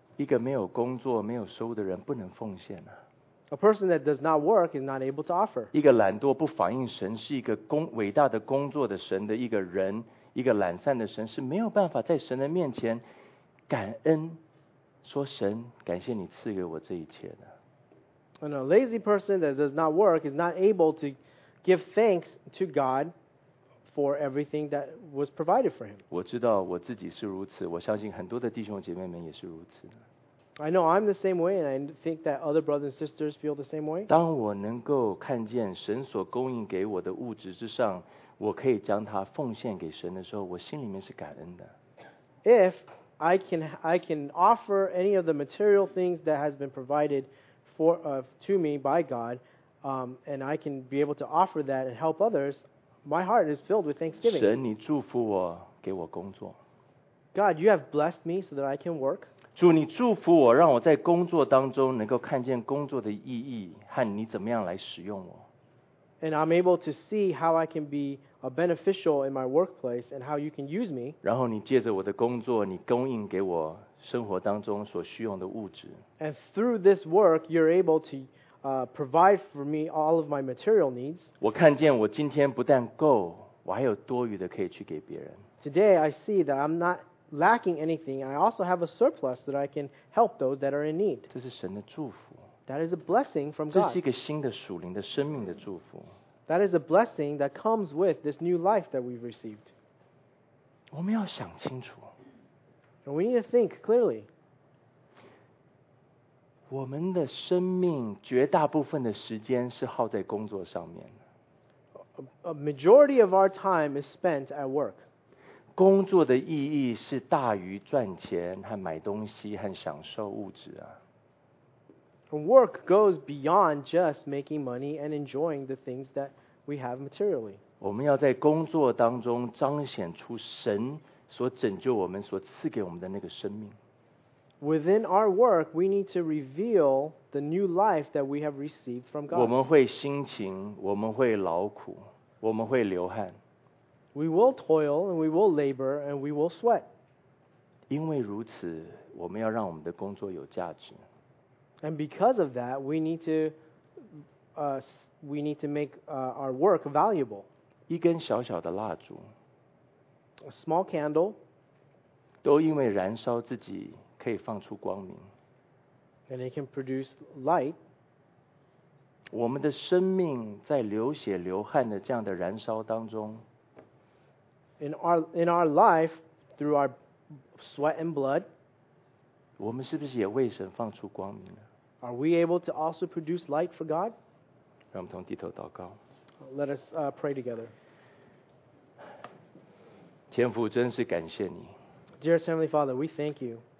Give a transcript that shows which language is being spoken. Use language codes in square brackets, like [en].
[zh] 一个没有工作、没有收入的人不能奉献啊。 [en] A person that does not work is not able to offer. [zh] 一个懒惰不反映神是一个伟大的工作的神的一个人，一个懒散的神是没有办法在神的面前感恩，说神，感谢你赐给我这一切的。 [en] And a lazy person that does not work is not able to give thanks to God for everything that was provided for him. [zh] 我知道我自己是如此，我相信很多的弟兄姐妹们也是如此。 [en] I know I'm the same way, and I think that other brothers and sisters feel the same way. [zh] 当我能够看见神所供应给我的物质之上，我可以将它奉献给神的时候，我心里面是感恩的。 [en] If I can offer any of the material things that has been provided to me by God, and I can be able to offer that and help others, my heart is filled with thanksgiving. [zh] 神，你祝福我，给我工作。 [en] God, you have blessed me so that I can work. [zh] 主，你祝福我，让我在工作当中能够看见工作的意义和你怎么样来使用我。 [en] And I'm able to see how I can be a beneficial in my workplace and how you can use me. [zh] 然后你借着我的工作，你供应给我生活当中所需用的物质。 [en] And through this work, you're able to provide for me all of my material needs. [zh] 我看见我今天不但够，我还有多余的可以去给别人。 [en] Today I see that I'm not lacking anything, and I also have a surplus that I can help those that are in need. [zh] 这是神的祝福。 [en] That is a blessing from God. [zh] 这是一个新的属灵的生命的祝福。 [en] That is a blessing that comes with this new life that we've received. [zh] 我们要想清楚。 [en] And we need to think clearly. [zh] 我们的生命绝大部分的时间是耗在工作上面。 [en] A majority of our time is spent at work. [zh] 工作的意义是大于赚钱和买东西和享受物质啊。 [en] Work goes beyond just making money and enjoying the things that we have materially. [zh] 我们要在工作当中彰显出神所拯救我们、所赐给我们的那个生命。 [en] Within our work, we need to reveal the new life that we have received from God. [zh] 我们会辛勤，我们会劳苦，我们会流汗。 [en] We will toil, and we will labor, and we will sweat. [zh] 因为如此，我们要让我们的工作有价值。 [en] And because of that, we need to make our work valuable. [zh] 一根小小的蜡烛。 [en] A small candle. [zh] 都因为燃烧自己。可以放出光明。 [en] And it can produce light. [zh] 我们的生命在流血流汗的这样的燃烧当中。 [en] In our life, through our sweat and blood, [zh] 我们是不是也为神放出光明呢？ [en] Are we able to also produce light for God? [zh] 让我们同低头祷告。 [en] Let us pray together. [zh] 天父，真是感谢你。 [en] Dearest Heavenly Father, we thank you.